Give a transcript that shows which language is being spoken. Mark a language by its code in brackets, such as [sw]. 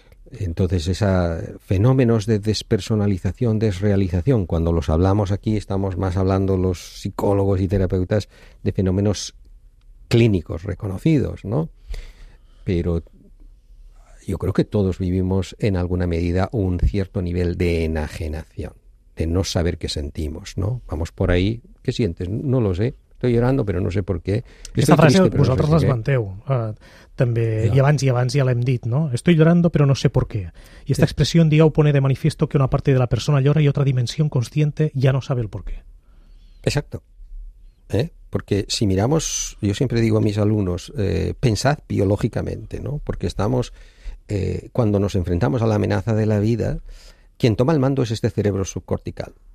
[es] Entonces, esos fenómenos de despersonalización, desrealización, cuando los hablamos aquí, estamos más hablando los psicólogos y terapeutas de fenómenos clínicos reconocidos, ¿no? Pero yo creo que todos vivimos en alguna medida un cierto nivel de enajenación, de no saber qué sentimos, ¿no? Vamos por ahí, ¿qué sientes? No lo sé, estoy llorando, pero no sé por qué. [ca] Aquesta frase vosaltres l'esmenteu, també, i abans ja l'hem dit, ¿no? [es] Estoy llorando, pero no sé por qué. Y esta expresión, digamos, pone de manifiesto que una parte de la persona llora y otra dimensión consciente ya no sabe el por qué. Exacto. Porque si miramos, yo siempre digo a mis alumnos, pensad biológicamente, ¿no? Porque estamos, cuando nos enfrentamos a la amenaza de la vida, quien toma el mando es este cerebro subcortical.